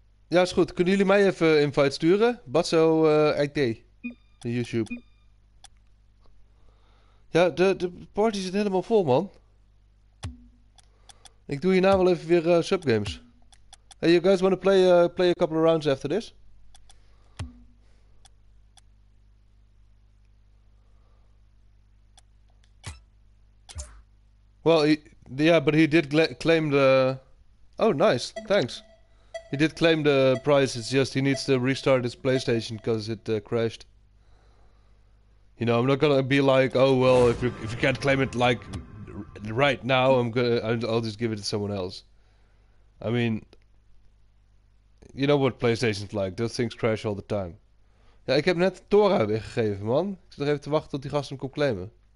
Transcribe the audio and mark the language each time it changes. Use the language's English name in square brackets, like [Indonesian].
[Dutch] Ja, is goed. Kunnen jullie mij even invite sturen? Batso IT. YouTube. Ja, de party zit helemaal vol, man. Ik doe hierna wel even weer subgames. [English] Hey, you guys want to play a couple of rounds after this? Well, he did claim the... Oh, nice. Thanks. He did claim the prize, it's just he needs to restart his PlayStation because it crashed. You know, I'm not gonna be like, oh well, if you can't claim it like right now, I'll just give it to someone else. I mean, you know what PlayStation's like, those things crash all the time. [Dutch] Ja, ik heb net Tora weggegeven, man. Ik zit nog even te wachten tot die gast hem komt claimen.